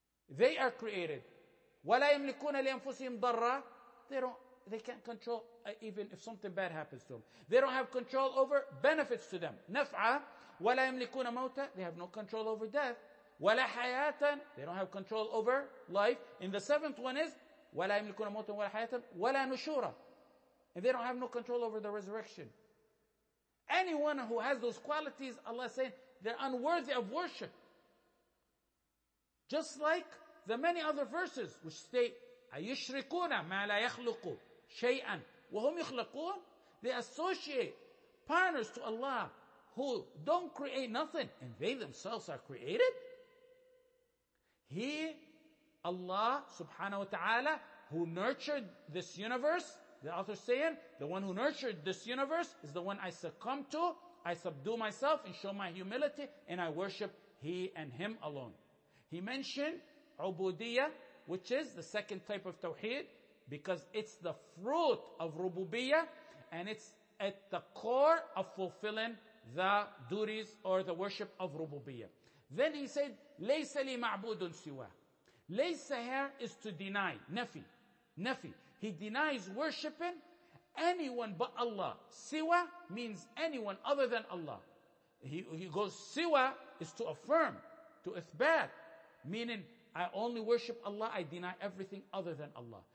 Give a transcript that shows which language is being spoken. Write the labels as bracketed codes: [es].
[en] They are created. [ar] وَلَا يَمْلِكُونَ لِأَنفُسِهِمْ ضَرًّا. [en] They can't control even if something bad happens to them. They don't have control over benefits to them. [ar] نَفْعَ وَلَا يَمْلِكُونَ مَوْتًا. [en] They have no control over death. [ar] وَلَا حَيَاتًا. [en] They don't have control over life. And the seventh one is [ar] وَلَا يَمْلِكُونَ مَوْتًا وَلَا حَيَاتًا وَلَا نُشُورًا. [en] And they don't have no control over the resurrection. Anyone who has those qualities, Allah is saying, they're unworthy of worship. Just like the many other verses which state [ar] أَيُشْرِكُونَ مَا لَا يَخْلُقُوا شَيْئًا وَهُمْ يُخْلَقُونَ. [en] They associate partners to Allah who don't create nothing, and they themselves are created. He, Allah subhanahu wa ta'ala, who nurtured this universe, the author saying, the one who nurtured this universe is the one I succumb to, I subdue myself and show my humility, and I worship he and him alone. He mentioned ubudiyya, which is the second type of tawheed, because it's the fruit of rububiyya, and it's at the core of fulfilling the duties or the worship of rububiyya. Then he said, [ar] لَيْسَ لِي مَعْبُودٌ سِوَى. [en] لَيْسَ here is to deny. Nafi. Nafi. He denies worshipping anyone but Allah. Siwa means anyone other than Allah. He goes, Siwa is to affirm, to ithbat, meaning I only worship Allah, I deny everything other than Allah.